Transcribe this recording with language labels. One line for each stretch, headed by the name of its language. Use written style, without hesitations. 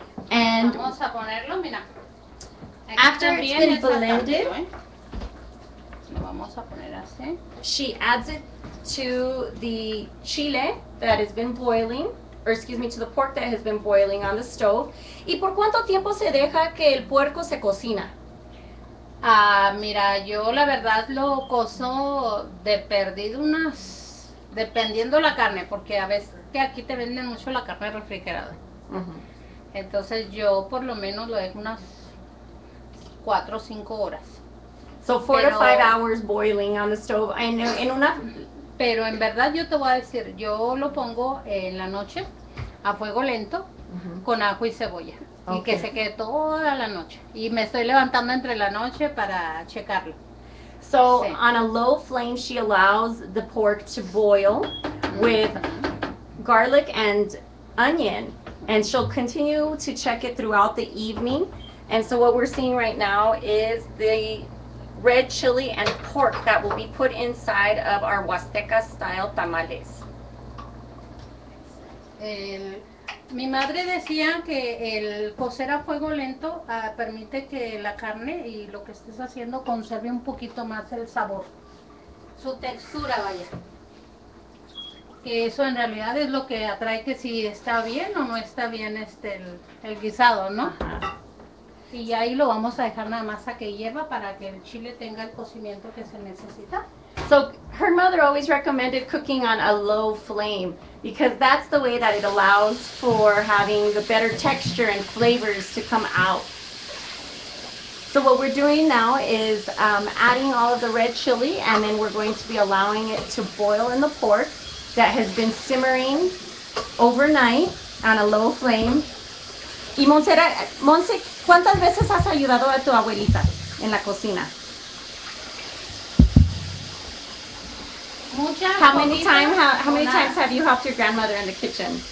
English: And
Spanish: vamos a ponerlo, mira.
English: After it's been blended,
Spanish: lo vamos a poner así.
English: She adds it to the chile that has been boiling, or excuse me, to the pork that has been boiling on the stove.
Spanish: ¿Y por cuánto tiempo se deja que el puerco se cocina? Mira, yo la verdad lo coso de perdido unas, dependiendo la carne, porque a veces que aquí te venden mucho la carne refrigerada. Entonces yo por lo menos lo dejo unas 4 o 5 horas.
English: So 4 to 5 hours boiling on the stove. I know,
Spanish: en una. Pero en verdad yo te voy a decir, yo lo pongo en la noche a fuego lento con ajo y cebolla. Okay. Y que se quede toda la noche. Y me estoy levantando entre la noche para checarlo. So, sí.
English: On a low flame, she allows the pork to boil with garlic and onion. And she'll continue to check it throughout the evening. And so what we're seeing right now is the red chili and pork that will be put inside of our Huasteca style tamales.
Spanish: Mi madre decía que el cocer a fuego lento permite que la carne y lo que estés haciendo conserve un poquito más el sabor. Su textura, vaya. Que eso en realidad es lo que atrae que si está bien o no está bien el guisado, ¿no? Ajá. Y ahí lo vamos a dejar nada más a que hierva para que el chile tenga el cocimiento que se necesita.
English: So, her mother always recommended cooking on a low flame because that's the way that it allows for having the better texture and flavors to come out. So what we're doing now is adding all of the red chili and then we're going to be allowing it to boil in the pork that has been simmering overnight on a low flame.
Spanish: Y Monse, ¿cuántas veces has ayudado a tu abuelita en la cocina? Muchas.
English: How many times? How many times have you helped your grandmother in the kitchen?